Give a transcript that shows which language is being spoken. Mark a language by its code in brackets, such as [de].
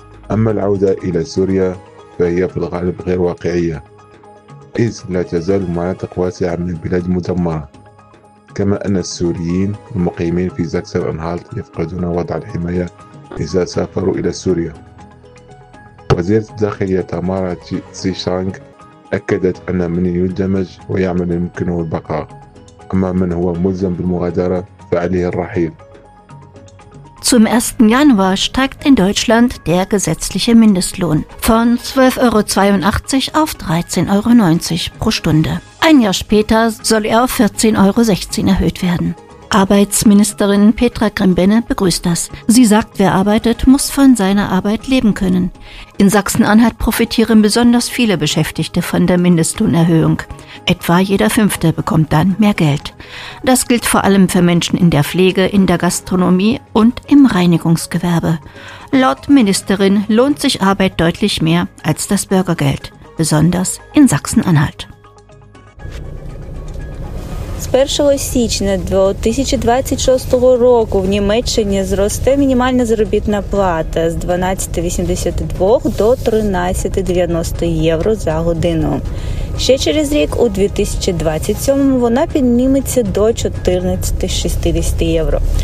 [ar] أما العودة إلى سوريا فهي في الغالب غير واقعية، إذ لا تزال مناطق واسعة من البلاد مدمرة، كما أن السوريين المقيمين في ساكسون-أنهالت يفقدون وضع الحماية إذا سافروا إلى سوريا. وزيرة الداخلية تامارا تشانغ أكدت أن من يندمج ويعمل يمكنه البقاء، أما من هو ملزم بالمغادرة فعليه الرحيل. [de] Zum 1. Januar steigt in Deutschland der gesetzliche Mindestlohn von 12,82 Euro auf 13,90 Euro pro Stunde. Ein Jahr später soll er auf 14,16 Euro erhöht werden. Arbeitsministerin Petra Grimbenne begrüßt das. Sie sagt, wer arbeitet, muss von seiner Arbeit leben können. In Sachsen-Anhalt profitieren besonders viele Beschäftigte von der Mindestlohnerhöhung. Etwa jeder Fünfte bekommt dann mehr Geld. Das gilt vor allem für Menschen in der Pflege, in der Gastronomie und im Reinigungsgewerbe. Laut Ministerin lohnt sich Arbeit deutlich mehr als das Bürgergeld, besonders in Sachsen-Anhalt. [uk] З 1 січня 2026 року в Німеччині зросте мінімальна заробітна плата з 12,82 до 13,90 євро за годину. Ще через рік, у 2027-му, вона підніметься до 14,60 євро.